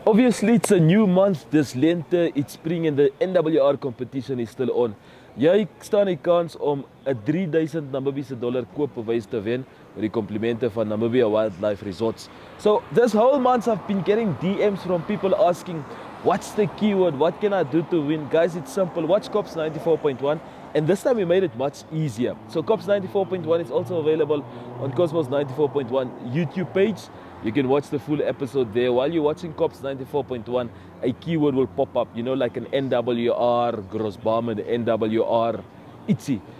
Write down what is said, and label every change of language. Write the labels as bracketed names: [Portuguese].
[English] Obviously, it's a new month, this lente, it's spring, and the NWR competition is still on. [Afrikaans] Jy staan die kans om 'n $3,000 Namibiese dollar koopbewys te wen met die komplimente van Namibia Wildlife Resorts. [English] So, this whole month I've been getting DMs from people asking, what's the keyword, what can I do to win? Guys, it's simple, watch COPS 94.1, and this time we made it much easier. So, COPS 94.1 is also available on Kosmos 94.1 YouTube page. You can watch the full episode there. While you're watching COPS 94.1, a keyword will pop up, you know, like an NWR, Grossbaumer, NWR, itsy.